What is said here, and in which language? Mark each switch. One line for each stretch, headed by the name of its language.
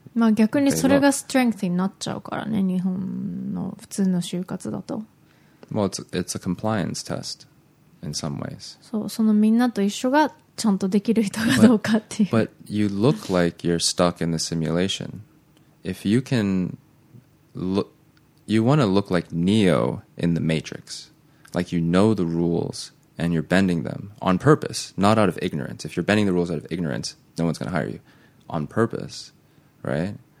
Japanese: まあ逆にそれがストレングスになっちゃうからね、日本の普通の就活だと。
English: Well, it's a compliance test in some ways.
Japanese: そう、そのみんなと一緒がちゃんとできる人かどうかっていう。
English: But you look like you're stuck in the simulation. If you can look... You want to look like Neo in the Matrix. Like you know the rules... And you're bending them on purpose, not out of ignorance. If you're bending the rules out of ignorance, no one's going to hire you on purpose, right?